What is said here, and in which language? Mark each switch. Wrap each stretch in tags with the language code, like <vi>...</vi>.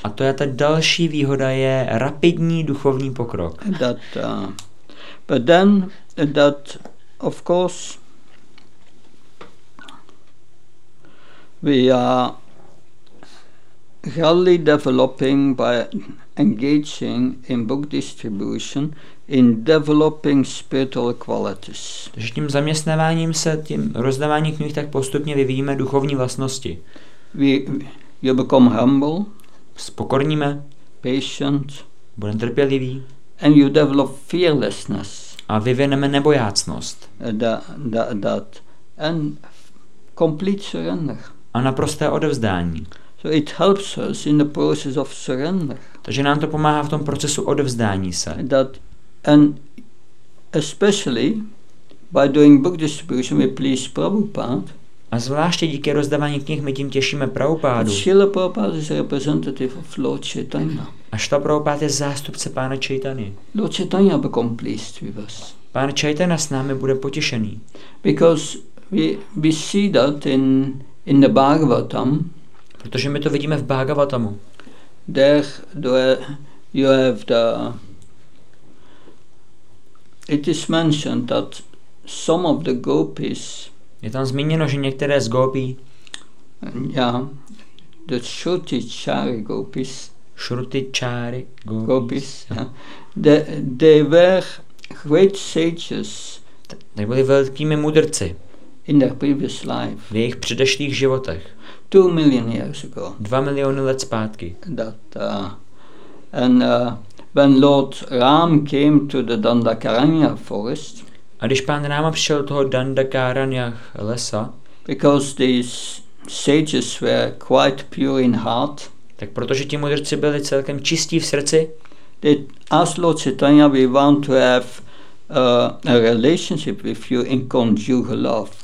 <cs>A to je ta další výhoda, je rapidní duchovní pokrok.</cs> <en>That, but then that of course we are really developing by engaging in book distribution in developing spiritual qualities.</en> <cs>Takže tím zaměstnáváním se, tím rozdáváním knih, tak postupně vyvíjíme duchovní vlastnosti.</cs> <en>We become humble.</en> <cs>Spokorníme.</cs> <en>Patient.</en> <cs>Budeme trpělivý.</cs> <en>And you develop fearlessness.</en> <cs>A vyvineme nebojácnost.</cs> <en>That and complete surrender.</en> <cs>A naprosté odevzdání.</cs> <en>So it helps us in the process of surrender.</en> <cs>Takže nám to pomáhá v tom procesu odevzdání se.</cs> <en>That and especially by doing book distribution we please Prabhupada.</en> <cs>A zvláště díky rozdávání knih my tím těšíme Prabhupádu.</cs> <en>Srila Prabhupáda is representative of Lord Chaitanya.</en> <cs>A Srila Prabhupáda je zástupce Pána Chaitany.</cs> <en>Lord Chaitanya become pleased with us.</en> <cs>Pán Chaitana s námi bude potěšený.</cs> <en>Because we see that in the Bhagavatam.</en> <cs>Protože my to vidíme v Bhagavatamu.</cs> <en>There you have the... It is mentioned that some of the gopis...</en> <cs>Je tam zmíněno, že některé z gopí,</cs> <en>the Shrutichari gopis, they were great sages.</en> <cs>They byli velkými mudrci.</cs> <en>In their previous life.</en> <cs>V jejich předešlých životech.</cs> <en>2 million years ago.</en> <cs>2 miliony let zpátky.</cs> <en>That and when Lord Ram came to the Dandakaranya forest.</en> <cs>A když pán Ráma přišel toho Dandakaranya lesa,</cs> <en>because these sages were quite pure in heart,</en> <cs>tak protože ti mudrci byli celkem čistí v srdci,</cs> <en>they asked Lord Chaitanya, we want to have a relationship with you in conjugal love.</en>